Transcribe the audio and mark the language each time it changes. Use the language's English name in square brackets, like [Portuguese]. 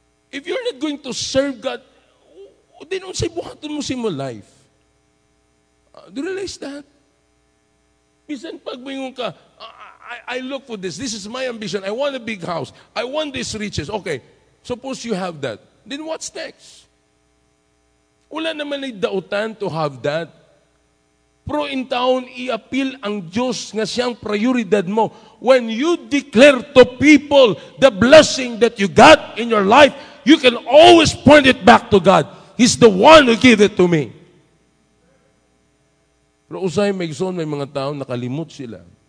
[English] If you're not going to serve God, then [Cebuano] on sa'yo buhaton mo sa'yo [English] life? Do you realize that? [Cebuano] Bisan pag mayroon ka, [English] I look for this. This is my ambition. I want a big house. I want these riches. Okay. Suppose you have that. Then what's next? [Cebuano] Wala naman ay dautan [English] to have that. [Cebuano] Pero in town, i-appeal ang Diyos nga siyang prioridad mo. [English] When you declare to people the blessing that you got in your life, you can always point it back to God. He's the one who gave it to me. [Cebuano] Pero usahin may son, may mga tao nakalimot sila.